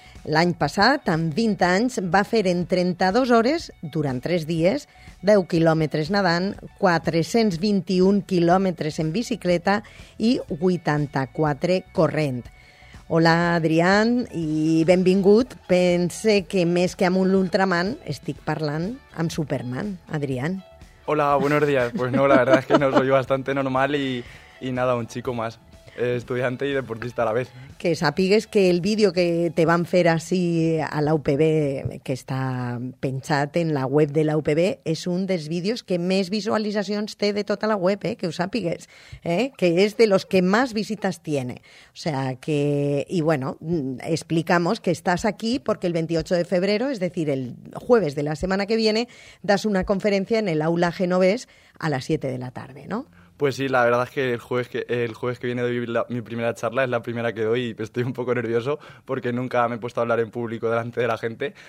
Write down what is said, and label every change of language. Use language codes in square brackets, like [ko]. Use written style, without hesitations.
[ca] L'any passat, amb 20 anys, va fer en 32 hores, durant 3 dies, 10 quilòmetres nedant, 421 quilòmetres en bicicleta i 84 corrent. Hola, Adrián, i benvingut. Pense que més que amb un Ultraman estic parlant amb Superman, Adrián. [es] Hola, buenos días. Pues no, la verdad es que no soy bastante normal y nada, un chico más, estudiante y deportista a la vez. [ca] Que sàpigues que el vídeo que te van fer així a l'UPB, que està penjat en la web de l'UPB, és un dels vídeos que més visualitzacions té de tota la web, que ho sàpigues, que és [es] de los que más visitas tiene. O sea que, y bueno, explicamos que estás aquí porque el 28 de febrero, es decir, el jueves de la semana que viene, das una conferencia en el aula Genovés a las 7 de la tarde, ¿no? Pues sí, la verdad es que el jueves que viene doy mi primera charla, es la primera que doy y estoy un poco nervioso porque nunca me he puesto a hablar en público delante de la gente.